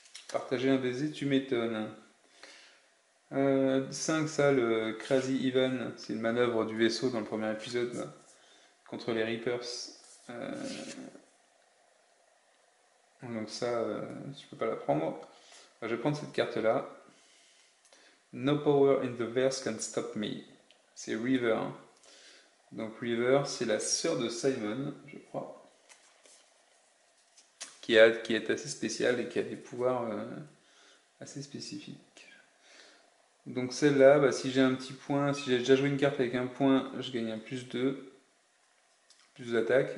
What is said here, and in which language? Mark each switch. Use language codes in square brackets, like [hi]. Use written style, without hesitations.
[fr] Partager un baiser, tu m'étonnes. 5 ça le Crazy Ivan, c'est une manœuvre du vaisseau dans le premier épisode là, contre les Reapers. Donc ça tu peux pas la prendre. Je vais prendre cette carte-là. [en] No power in the verse can stop me. [fr] C'est River. Donc River, c'est la sœur de Simon, je crois. Qui est assez spéciale et qui a des pouvoirs assez spécifiques. Donc celle-là, si j'ai un petit point, si j'ai déjà joué une carte avec un point, je gagne un plus 2. Plus d'attaque.